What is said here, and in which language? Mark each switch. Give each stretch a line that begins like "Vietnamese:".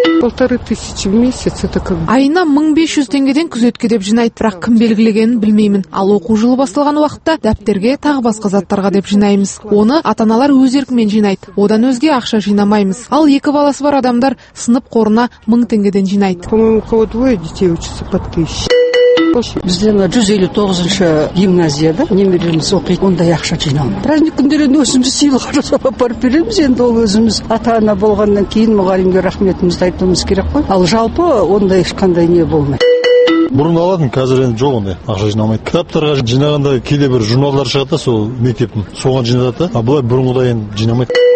Russian: 1500 в месяц, это как бы.
Kazakh: Айына 1500 теңгеден күзетке деп жинайт, бірақ кім белгілегенін білмеймін. Ал оқу жылы басталған уақытта дәптерге тағы басқа заттарға деп жинаймыз. Оны ата-аналар өз еркімен жинайды. Одан өзге ақша жинамаймыз. Ал екі баласы бар адамдар сынып қорына 1000 теңгеден жинайды.
Russian: По-моему, кого двое детей учатся по 1000.
Kazakh: Бізде 159-шы гимназияда немереміз оқиды, ондай ақша жинамайды. Праздник күндерінде өзіміз сыйлық жасап апарып береміз, енді ол өзіміз ата-ана болғаннан кейін мұғалімге рахметімізді айтуымыз керек қой. Ал жалпы ондай ешқандай не болмайды. Бұрын алатын, қазір енді жоқ ондай ақша жинамайды. Кітаптарға жинағанда кейде бір журналдар шығады да, сол мектептің соған жинады, а бұлай бұрынғыдай жинамайды.